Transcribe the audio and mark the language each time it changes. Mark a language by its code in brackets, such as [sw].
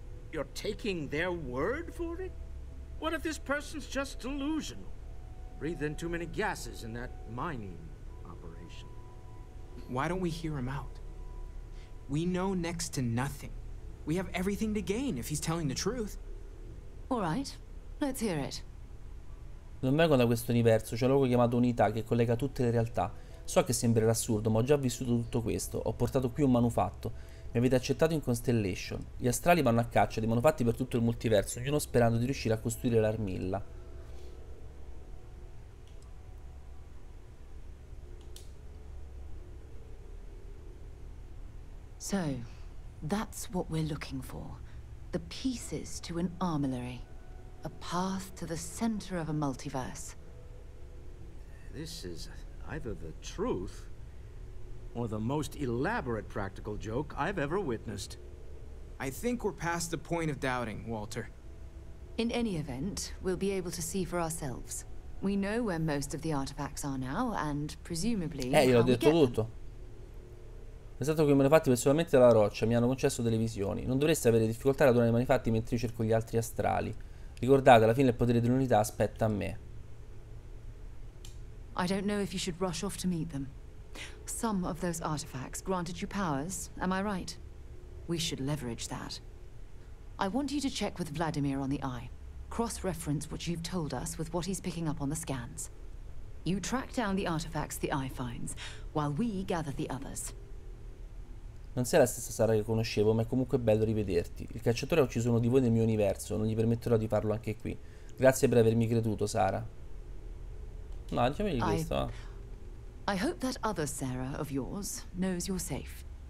[en] You're taking their word for it? What if this person's just delusional? Breathe in too many gases in that mining operation. Why don't we hear him out? We know next to nothing. We have everything to gain if he's telling the truth. All right, let's hear it. [it] Non vengo da questo universo, c'è un luogo chiamato Unità che collega tutte le realtà. So che sembrerà assurdo, ma ho già vissuto tutto questo. Ho portato qui un manufatto. Mi avete accettato in Constellation. Gli astrali vanno a caccia dei manufatti per tutto il multiverso, ognuno sperando di riuscire a costruire l'armilla. [en] So, that's what we're looking for. The pieces to an armillary. A path to the center of a multiverse. This is either the truth or the most elaborate practical joke I've ever witnessed. I think we're past the point of doubting, Walter. In any event, we'll be able to see for ourselves. We know where most of the artifacts are now, and presumably... [it] io l'ho detto tutto. È stato che i manufatti personalmente dalla roccia mi hanno concesso delle visioni. Non dovreste avere difficoltà a donare i manufatti mentre io cerco gli altri astrali. Ricordate, alla fine il potere dell'unità aspetta a me. [en] I don't know if you should rush off to meet them. Some of those artifacts granted you powers, am I right? We should leverage that. I want you to check with Vladimir on the eye. Cross-reference what you've told us with what he's picking up on the scans. You track down the artifacts the eye finds, while we gather the others. [it] Non sei la stessa Sara che conoscevo, ma è comunque bello rivederti. Il cacciatore ha ucciso uno di voi nel mio universo, non gli permetterò di farlo anche qui. Grazie per avermi creduto, Sara. No, diciamogli questo. [en] I hope that other Sarah of yours knows you're safe.